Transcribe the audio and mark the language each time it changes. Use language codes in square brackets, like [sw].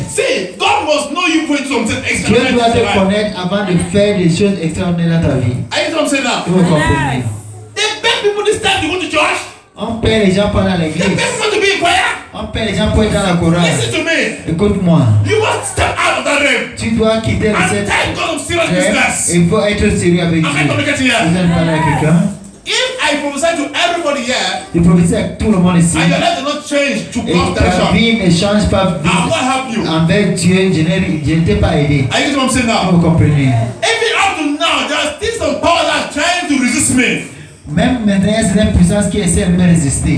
[en] See, God must know you for something extraordinary. [fr] Dieu doit te connaître avant de faire des choses extraordinaires dans ta vie. [en] Are you saying that? They beg people this time to go to church. [fr] On paie les gens pour aller à l'église. [en] They beg people to be in choir. [fr] On paie les gens pour être dans la chorale. [en] Listen to me. [fr] Écoute-moi. [en] You must step out of that room. [fr] Tu dois quitter le cercle. [en] And thank God of serious business. [fr] Il faut être sérieux avec Dieu. [en] Am I communicating here? [fr] Vous êtes parlé avec quelqu'un? [en] If I prophesy to everybody here, [fr] je prophesie à tout le monde ici. [en] And your life does not change to God's direction. [fr] Et ta vie ne change pas. [en] I will not help you. [fr] Avec Dieu, je n'ai rien, je pas aidé. [en] Are you saying now? [fr] Vous comprenez? [en] Even up to now, there are still some powers that are trying to resist me. [fr] Même maintenant, c'est une puissance qui essaie de me résister.